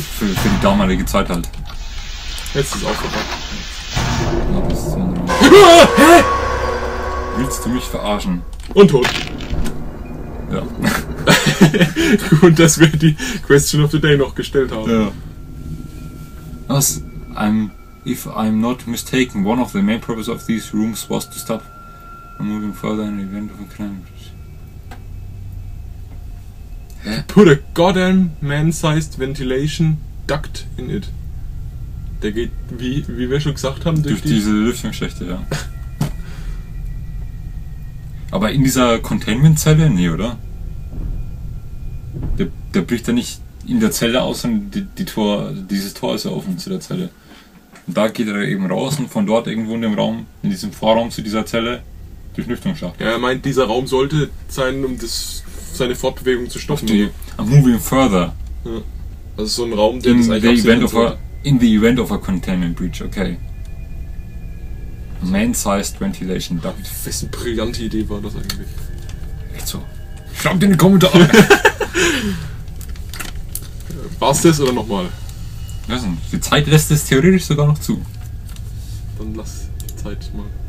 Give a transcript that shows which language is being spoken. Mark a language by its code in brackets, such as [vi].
[de] Für die damalige Zeit halt. Jetzt ist es aufgepackt. Ja, das ist so ein... Hä? Willst du mich verarschen? Und tot. Ja. Und dass wir die Question of the Day noch gestellt haben. Ja. Was? [en] If I'm not mistaken, one of the main purposes of these rooms was to stop moving further in the event of a crime. [de] Hä? [en] Put a goddamn man-sized ventilation duct in it. [de] Der geht, wie wir schon gesagt haben, durch diese Lüftungsschächte, ja. Aber in dieser Containment-Zelle? Nee, oder? Der bricht ja nicht in der Zelle aus, sondern dieses Tor ist ja offen zu der Zelle. Und da geht er eben raus und von dort irgendwo in dem Raum, in diesem Vorraum zu dieser Zelle, durch Lüftungsschacht. Ja, er meint, dieser Raum sollte sein, um seine Fortbewegung zu stoppen. [en] Okay. I'm moving further. [de] Ja. Also so ein Raum, der das eigentlich absichern soll. [en] In the event of a containment breach, okay. Man-sized ventilation duct. [de] Was eine brillante Idee war das eigentlich? Echt so. Schreibt in die Kommentare! War's das oder nochmal? Wissen, die Zeit lässt es theoretisch sogar noch zu. Dann lass die Zeit mal.